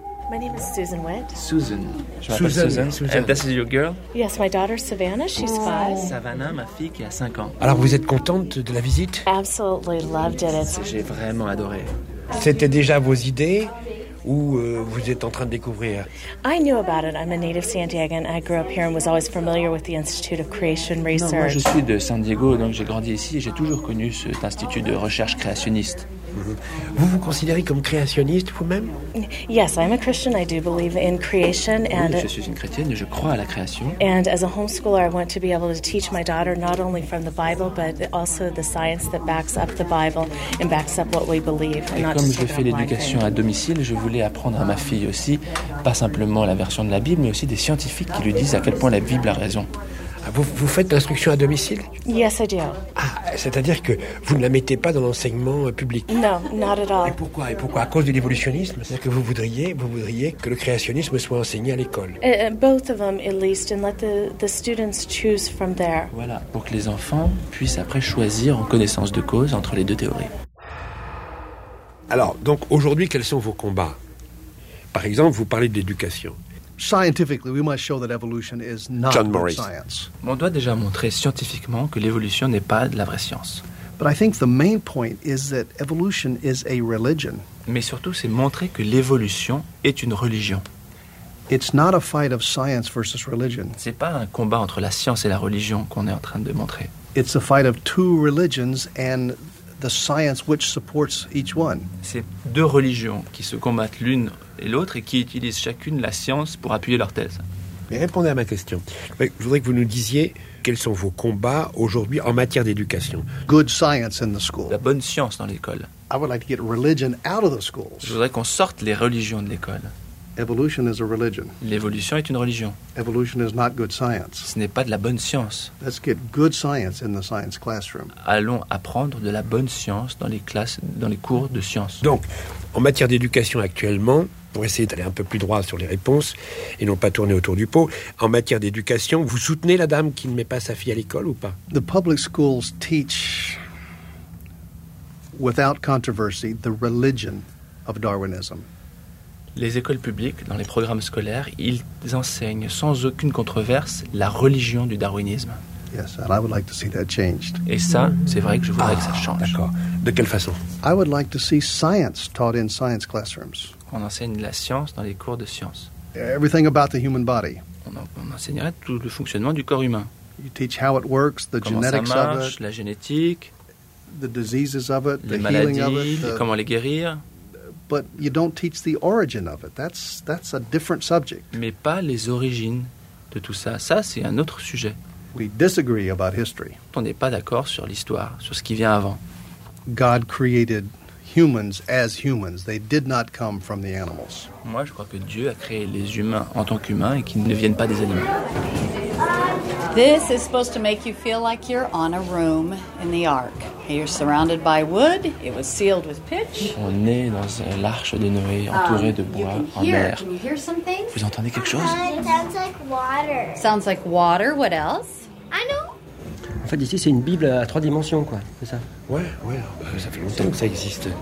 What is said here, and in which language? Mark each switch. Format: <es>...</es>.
<en>My name is Susan Witt. Susan. Susan. And this is your girl? Yes, my daughter Savannah, she's 5.</en> <fr>Savannah, ma fille qui a 5 ans. Alors, vous êtes contente de la visite?</fr> <en>Absolutely loved it.</en> <fr>J'ai vraiment adoré. C'était déjà vos idées ou vous êtes en train de découvrir?</fr> <en>I knew about it. I'm a native San Diegan. I grew up here and was always familiar with the Institute of Creation Research.</en> <fr>Non, moi je suis de San Diego, donc j'ai grandi ici et j'ai toujours connu cet institut de recherche créationniste. Vous vous considérez comme créationniste vous-même?</fr> <en>Yes, I'm a Christian. I do believe in creation. And</en> <fr>oui, je suis une chrétienne et je crois à la création.</fr> <en>And as a homeschooler, I want to be able to teach my daughter not only from the Bible, but also the science that backs up the Bible and backs up what we believe.</en> <fr>Et comme je fais l'éducation à domicile, je voulais apprendre à ma fille aussi, pas simplement la version de la Bible, mais aussi des scientifiques qui lui disent à quel point la Bible a raison. Vous faites l'instruction à domicile?</fr> <en>Yes, I do.</en> <fr>Ah, c'est-à-dire que vous ne la mettez pas dans l'enseignement public?</fr> <en>No, not at all.</en> <fr>Et pourquoi? À cause de l'évolutionnisme? C'est-à-dire que vous voudriez que le créationnisme soit enseigné à l'école?</fr> <en>Both of them, at least, and let the students choose from there.</en> <fr>Voilà, pour que les enfants puissent après choisir en connaissance de cause entre les deux théories. Alors, donc, aujourd'hui, quels sont vos combats? Par exemple, vous parlez d'éducation.</fr> <en>Scientifically, we must show that evolution is not John Morris. Science.</en> <fr>On doit déjà montrer scientifiquement que l'évolution n'est pas de la vraie science.</fr> <en>But I think the main point is that evolution is a religion.</en> <fr>Mais surtout, c'est montrer que l'évolution est une religion.</fr> <en>It's not a fight of science versus religion.</en> <fr>C'est pas un combat entre la science et la religion qu'on est en train de montrer.</fr> <en>It's a fight of two religions and the science which supports each one.</en> <fr>C'est deux religions qui se combattent l'une et l'autre et qui utilisent chacune la science pour appuyer leur thèse. Mais répondez à ma question. Je voudrais que vous nous disiez quels sont vos combats aujourd'hui en matière d'éducation.</fr> <en>Good science in the school.</en> <fr>La bonne science dans l'école.</fr> <en>I would like to get religion out of the schools.</en> <fr>Je voudrais qu'on sorte les religions de l'école.</fr> <en>Evolution is a religion.</en> <fr>L'évolution est une religion.</fr> <en>Evolution is not good science.</en> <fr>Ce n'est pas de la bonne science.</fr> <en>Let's get good science in the science classroom.</en> <fr>Allons apprendre de la bonne science dans les classes, dans les cours de sciences. Donc, en matière d'éducation actuellement, pour essayer d'aller un peu plus droit sur les réponses et non pas tourner autour du pot, en matière d'éducation, vous soutenez la dame qui ne met pas sa fille à l'école ou pas?</fr> <en>The public schools teach, without controversy, the religion of Darwinism.</en> <fr>Les écoles publiques, dans les programmes scolaires, ils enseignent sans aucune controverse la religion du darwinisme.</fr> <en>Yes, and I would like to see that changed.</en> <fr>Et ça, c'est vrai que je voudrais que ça change. D'accord. De quelle façon?</fr> <en>I would like to see science taught in science classrooms.</en> <fr>On enseigne la science dans les cours de science.</fr> <en>Everything about the human body.</en> <fr>On enseignerait tout le fonctionnement du corps humain.</fr> <en>You teach how it works, the</en> <fr>comment</fr> <en>genetics</en> <fr>ça marche,</fr> <en>of it,</en> <fr>la génétique,</fr> <en>the diseases of it,</en> <fr>les maladies,</fr> <en>healing of it,</en> <fr>comment les guérir.</fr> <en>But you don't teach the origin of it. That's a different subject.</en> <fr>Mais pas les origines de tout ça. Ça, c'est un autre sujet.</fr> <en>We disagree about history.</en> <fr>On n'est pas d'accord sur l'histoire, sur ce qui vient avant.</fr> <en>God created humans as humans. They did not come from the animals.</en> <fr>Moi, je crois que Dieu a créé les humains en tant qu'humains et qu'ils ne viennent pas des animaux.</fr> <en>This is supposed to make you feel like you're on a room in the ark. You're surrounded by wood. It was sealed with pitch.</en> <fr>On est dans l'arche de Noé, entouré de bois en mer.</fr> <en>Can you hear something?</en> <fr>Vous entendez quelque chose?</fr> <en>Sounds like water. Sounds like water. What else? I know.</en> <fr>En fait, ici, c'est une Bible à trois dimensions, quoi. C'est ça? Ouais, ouais. Ça fait longtemps que ça existe.</fr>